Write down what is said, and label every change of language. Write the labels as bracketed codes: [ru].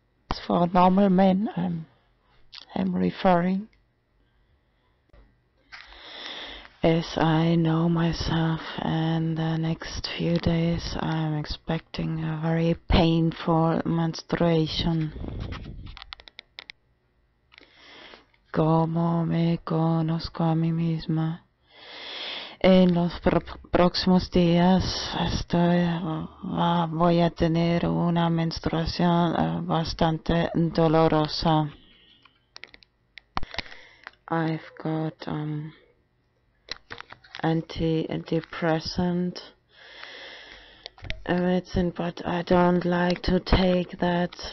[en] It's for normal men, I'm referring. Yes, I know myself, and the next few days I'm expecting a very painful menstruation. [es] Como me conozco a mí misma, en los próximos días voy a tener una menstruación bastante dolorosa. [en] I've got antidepressant medicine, but I don't like to take that.